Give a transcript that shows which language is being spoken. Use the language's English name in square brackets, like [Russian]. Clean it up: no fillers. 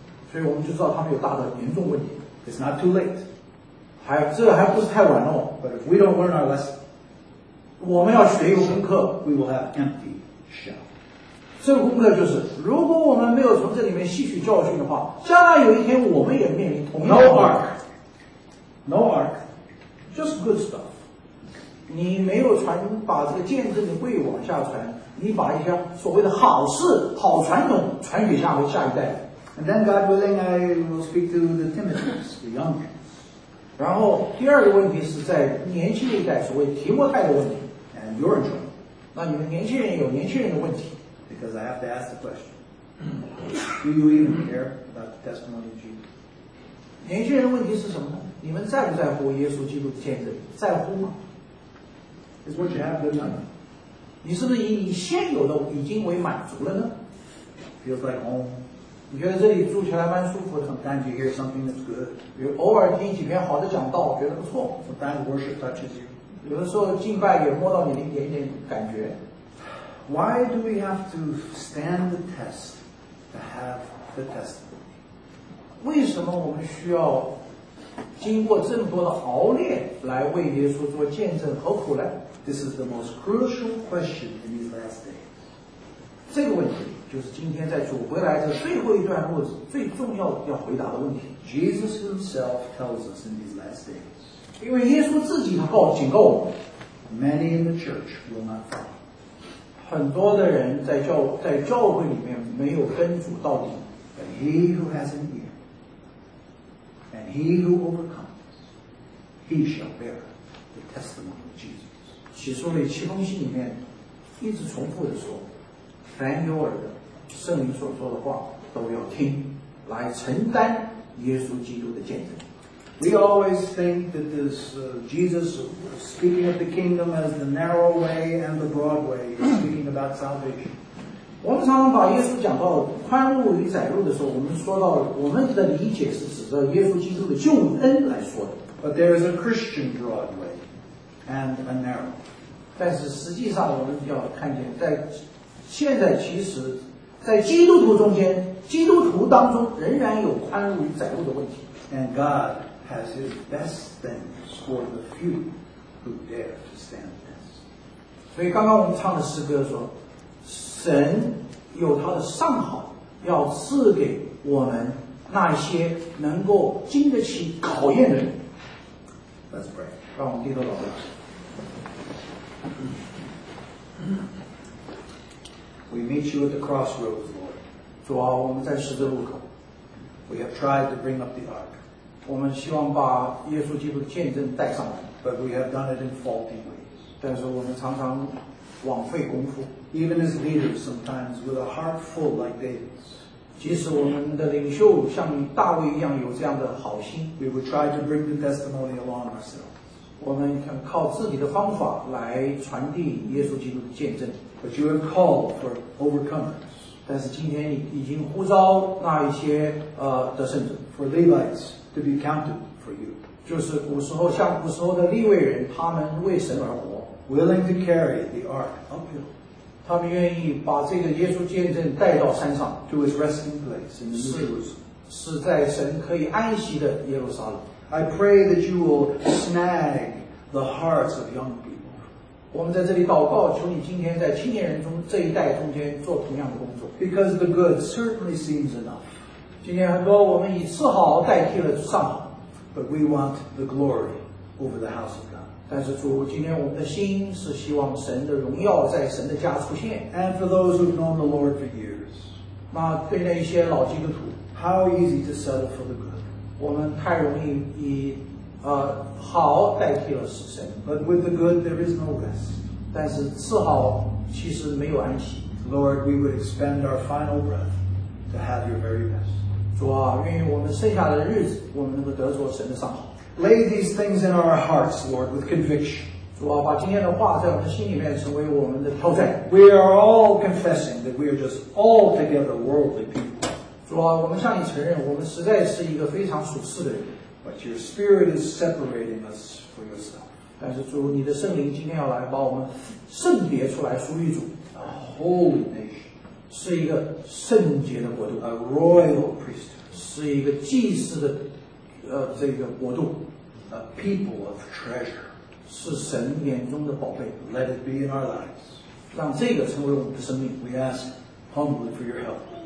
[Chinese] 所以我们就知道他们有大的严重问题。 [English] It's not too late. [Chinese] 这还不是太晚哦。 [English] But if we don't learn our lesson, [Chinese] 我们要学一个功课 [English] we will have empty shell. [Chinese] 这个功课就是如果我们没有从这里面吸取教训的话，将来有一天我们也面临同样的问题。 [English] No ark. No ark. Just good stuff. [Chinese] 你没有把这个见证的贵往下传，你把一些所谓的好事、好传统传给下一代。 [English] And then God willing, I will speak to the Timothys, the young men. [Chinese] 然后第二个问题是在年轻一代，所谓提摩太的问题。 [English] And you're in trouble. [Chinese] 那你们年轻人有年轻人的问题。 [English] Because I have to ask the question. Do you even care about the testimony of Jesus? [Chinese] 年轻人的问题是什么呢？你们在不在乎耶稣基督的见证？在乎吗？ [English] is what you have been done. [Chinese] 你是不是以你现有的已经为满足了呢？ [English] Feels like home. [Chinese] 你觉得这里住起来蛮舒服的。 [English] Sometimes you hear something that's good. [Chinese] 比如偶尔听几篇好的讲道，觉得不错。 [English] Sometimes worship touches you. [Chinese] 有的时候敬拜也摸到你的一点点感觉。 [English] Why do we have to stand the test to have the testimony? [Chinese] 为什么我们需要经过这么多的熬炼来为耶稣做见证何苦呢？ [English] This is the most crucial question in these last days. [Chinese] 这个问题就是今天在主回来的最后一段路子最重要要回答的问题。 [English] Jesus himself tells us in these last days. [Chinese] 因为耶稣自己他告警告我们， [English] Many in the church will not follow. [Chinese] 很多的人在教会里面没有跟主到底。 [English] But he who has an ear. And he who overcomes, he shall bear the testimony of Jesus. [Chinese] 启示录七封信里面一直重复地说，凡有耳的，圣灵所说的话都要听，来承担耶稣基督的见证。 [English] We always think that this Jesus speaking of the kingdom as the narrow way and the broad way is speaking about salvation. [Chinese] 我们常常把耶稣讲到宽路与窄路的时候，我们说到我们的理解是指着耶稣基督的救恩来说的。 [English] But there is a Christian broad way and a narrow. [Chinese] 但是实际上，我们要看见，在现在其实，在基督徒中间，基督徒当中仍然有宽路与窄路的问题。 [English] And God has His best things for the few who dare to stand the test. [Chinese] 所以刚刚我们唱的诗歌说。神有他的上好要赐给我们那些能够经得起考验的人。 [English] Let's pray. [Chinese] 让我们低头祷告。 [English] We meet you at the crossroads, Lord. [Chinese] 主啊，我们在十字路口。 [English] We have tried to bring up the ark. [Chinese] 我们希望把耶稣基督的见证带上来。 [English] But we have done it in faulty ways. [Chinese] 但是我们常常枉费功夫。 [English] Even as leaders, sometimes with a heart full like David's, [Chinese] 即使我们的领袖像大卫一样有这样的好心 [English] ，we would try to bring the testimony along ourselves. [Chinese] 我们想靠自己的方法来传递耶稣基督的见证。 [English] But you have called for overcomers. [Chinese] 但是今天已经呼召那一些得胜者 [English] ，for Levites to be counted for you. [Chinese] 就是古时候像古时候的利未人，他们为神而活 [English] ，willing to carry the ark uphill. [Chinese] 他们愿意把这个耶稣见证带到山上 [English] to his resting place in Jerusalem [Chinese] 是在神可以安息的耶路撒冷 [English] I pray that you will snag the hearts of young people [Chinese] 我们在这里祷告求你今天在青年人中这一代中间做同样的工作 [English] because the good certainly seems enough [Chinese] 今天很多我们以次好代替了上好 [English] but we want the glory over the house of God [Chinese] 但是主，今天我们的心是希望神的荣耀在神的家出现。 [English] And for those who've known the Lord for years, [Chinese] 那对那些老基督徒 [English] ，How easy to settle for the good? [Chinese] 我们太容易以好代替了神。 [English] But with the good, there is no rest. [Chinese] 但是次好其实没有安息。 [English] Lord, we would expend our final breath to have your very best. [Chinese] 主啊，愿意我们剩下的日子，我们能够得着神的上好。 [English] Lay these things in our hearts, Lord, with conviction. [Chinese] 主啊，把今天的话在我们心里面成为我们的挑战。 [English] We are all confessing that we are just altogether worldly people. [Chinese] 主啊，我们向你承认，我们实在是一个非常属世的人。 [English] But your Spirit is separating us for yourself. [Chinese] 但是主，你的圣灵今天要来把我们圣别出来，属于主。 [English] A holy nation. [Chinese] 是一个圣洁的国度。 [English] A royal priesthood. [Chinese] 是一个祭司的。这个国度 [English] a people of treasure [Chinese] 是神眼中的宝贝 [English] let it be in our lives [Chinese] 让这个成为我们的生命 [English] we ask humbly for your help